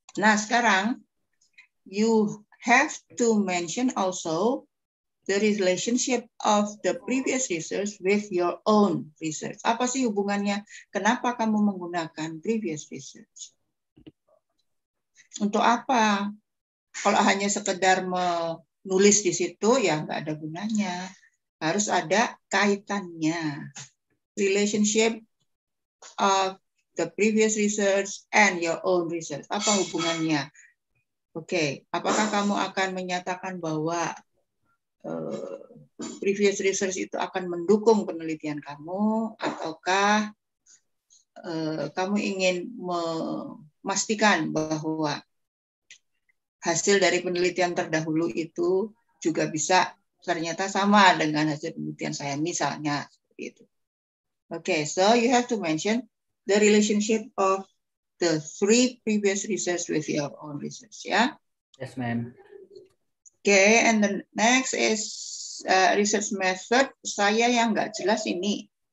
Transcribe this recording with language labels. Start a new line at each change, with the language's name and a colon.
Indonesian: Nah sekarang
English: you have to mention also the relationship of the previous research with your own research.
Indonesian: Apa sih hubungannya? Kenapa kamu menggunakan previous research? Untuk apa? Kalau hanya sekedar menulis di situ, ya nggak ada gunanya. Harus ada kaitannya.
English: Relationship of the previous research and your own research.
Indonesian: Apa hubungannya? Oke. Okay. Apakah kamu akan menyatakan bahwa previous research itu akan mendukung penelitian kamu, ataukah kamu ingin memastikan bahwa hasil dari penelitian terdahulu itu juga bisa ternyata sama dengan hasil penelitian saya misalnya seperti itu.
English: Okay, so you have to mention the relationship of the three previous research with your own research, ya? Yes, ma'am. Okay, and the next is research method,
Indonesian: saya yang enggak jelas ini.